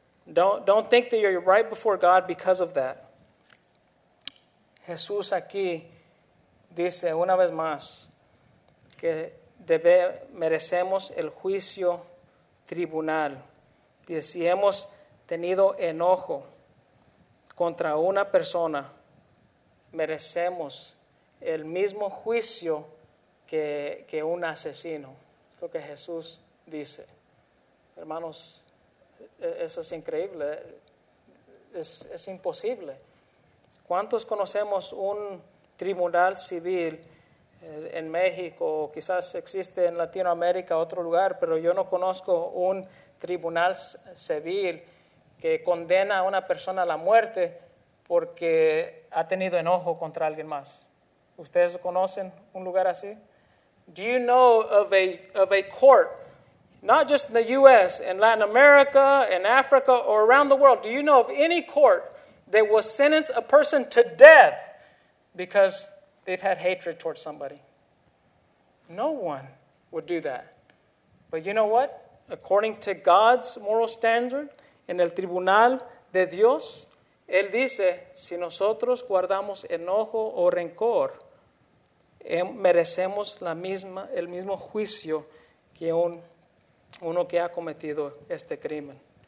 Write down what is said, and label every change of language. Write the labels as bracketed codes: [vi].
[en] Don't think that you're right before God because of that. [es] Jesús aquí dice una vez más que merecemos el juicio tribunal. Dice, si hemos tenido enojo contra una persona, merecemos el mismo juicio que un asesino. Es lo que Jesús dice. Hermanos, eso es increíble. Es imposible. ¿Cuántos conocemos un tribunal civil en México? Quizás existe en Latinoamérica, otro lugar, pero yo no conozco un tribunal civil que condena a una persona a la muerte porque ha tenido enojo contra alguien más. ¿Ustedes conocen un lugar así? [en] Do you know of a court, not just in the U.S., in Latin America, in Africa, or around the world, do you know of any court that will sentence a person to death because they've had hatred towards somebody? No one would do that. But you know what? According to God's moral standard, [es] en el tribunal de Dios, Él dice, si nosotros guardamos enojo o rencor, merecemos el mismo juicio que uno que ha cometido este crimen.